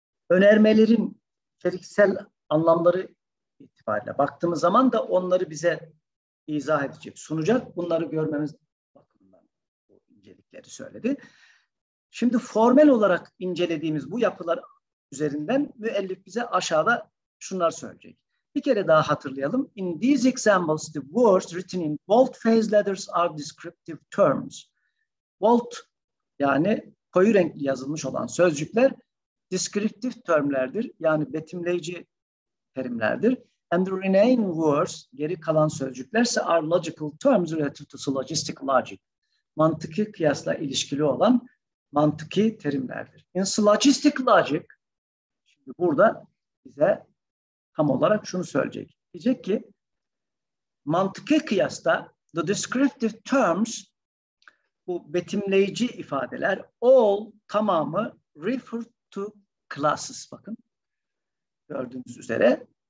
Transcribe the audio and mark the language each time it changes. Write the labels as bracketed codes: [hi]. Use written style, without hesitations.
[tr] Önermelerin içeriksel anlamları itibariyle baktığımız zaman da onları bize izah edecek, sunacak. Bunları görmemiz bakımından bu incelikleri söyledi. Şimdi formel olarak incelediğimiz bu yapılar üzerinden müellif bize aşağıda şunlar söyleyecek. Bir kere daha hatırlayalım. [en] In these examples, the words written in boldface letters are descriptive terms. [tr] Bold yani koyu renkli yazılmış olan sözcükler descriptive termlerdir, yani betimleyici terimlerdir. [en] And the remaining words, [tr] geri kalan sözcüklerse [en] are logical terms related to syllogistic logic. [tr] Mantıki kıyasla ilişkili olan mantıki terimlerdir. [en] In syllogistic logic, [tr] şimdi burada bize tam olarak şunu söyleyecek. Diyecek ki, mantıki kıyasta [en] the descriptive terms, [tr] bu betimleyici ifadeler, all, tamamı, [en] refer to classes, [tr] bakın gördüğünüz üzere